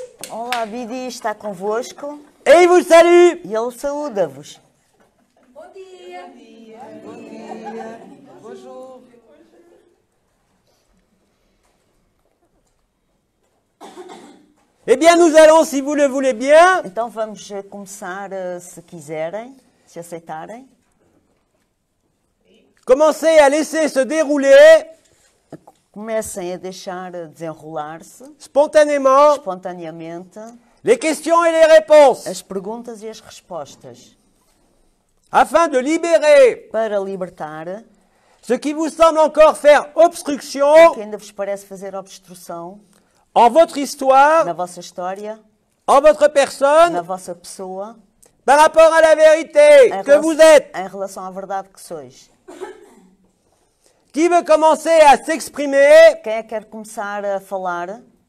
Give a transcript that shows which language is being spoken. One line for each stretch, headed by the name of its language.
Portuguese: Olá, Bidi está convosco.
French: Et il vous salue.
Portuguese: E ele saúda-vous. Bom dia. Bom dia. Bom dia.
French: Bonjour. Eh bien, nous allons, si vous le voulez bien.
Portuguese: Então vamos começar, se quiserem, se aceitarem.
French: Commencez à laisser se dérouler.
Portuguese: Comecem a deixar desenrolar-se.
French: Spontanément.
Portuguese: Spontaneamente.
French: Les questions et les réponses.
Portuguese: As perguntas e as respostas.
French: Afin de libérer.
Portuguese: Para libertar.
French: Ce qui vous semble encore faire obstruction.
Portuguese: O que ainda vos parece fazer obstrução.
French: En votre histoire.
Portuguese: Na vossa história.
French: En votre personne.
Portuguese: Na vossa pessoa.
French: Par rapport à la vérité que vous êtes.
Portuguese: Em relação à verdade que sois.
French: Qui veut commencer à s'exprimer?
Portuguese: Quem é que quer começar a falar?